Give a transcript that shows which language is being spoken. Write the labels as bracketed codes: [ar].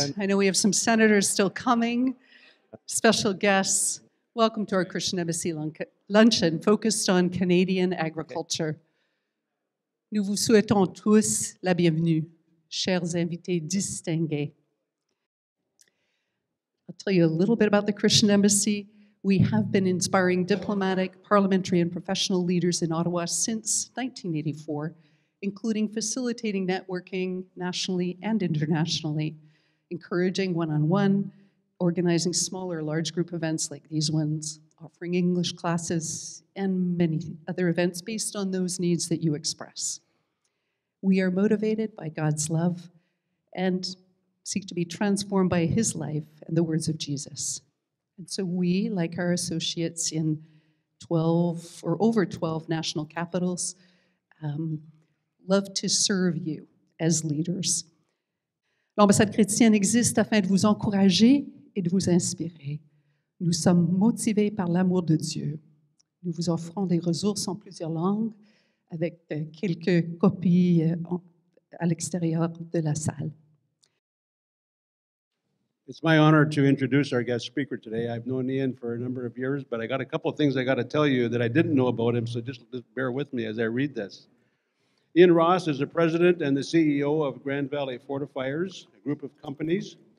[en] I know we have some senators still coming, special guests. Welcome to our Christian Embassy Luncheon focused on Canadian agriculture. [fr] Nous vous souhaitons tous la bienvenue, chers invités distingués. [en] I'll tell you a little bit about the Christian Embassy. We have been inspiring diplomatic, parliamentary, and professional leaders in Ottawa since 1984, including facilitating networking nationally and internationally, encouraging one-on-one, organizing small or large group events like these ones, offering English classes, and many other events based on those needs that you express. We are motivated by God's love and seek to be transformed by his life and the words of Jesus. And so we, like our associates in 12 or over 12 national capitals, love to serve you as leaders. [fr] L'ambassade chrétienne existe afin de vous encourager et de vous inspirer. Nous sommes motivés par l'amour de Dieu. Nous vous offrons des ressources en plusieurs langues avec quelques copies à l'extérieur de la salle. [en] It's my honor to introduce our guest speaker today. I've known Ian for a number of years, but I got a couple of things I got to tell you that I didn't know about him, so just bear with me as I read this. Ian Ross is the president and the CEO of Grand Valley Fortifiers, a group of companies.